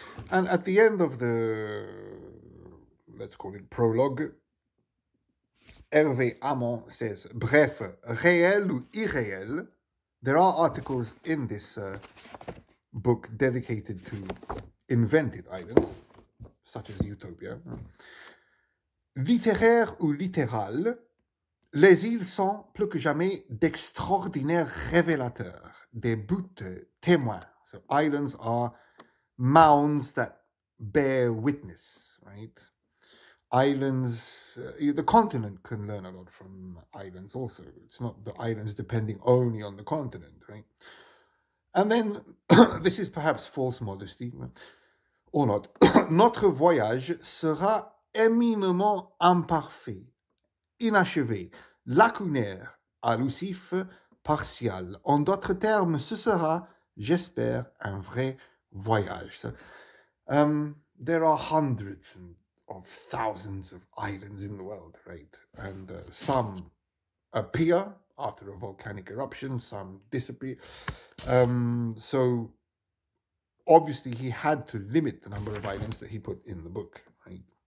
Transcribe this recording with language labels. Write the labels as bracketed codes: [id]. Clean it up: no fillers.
[en] And at the end of the, let's call it prologue, Hervé Amon says, [fr] bref, réel ou irréel, [en] there are articles in this book dedicated to invented islands, such as Utopia. [fr] Littéraire ou littéral, les îles sont plus que jamais d'extraordinaires révélateurs, des buts témoins. [en] So islands are mounds that bear witness, right? Islands, the continent can learn a lot from islands also. It's not the islands depending only on the continent, right? And then, this is perhaps false modesty, or not. [fr] Notre voyage sera éminemment imparfait, inachevé, lacunaire, allusif, partial. En d'autres termes, ce sera, j'espère, un vrai voyage. [en] So, there are hundreds and of thousands of islands in the world, right? And some appear after a volcanic eruption, some disappear. So obviously he had to limit the number of islands that he put in the book, right?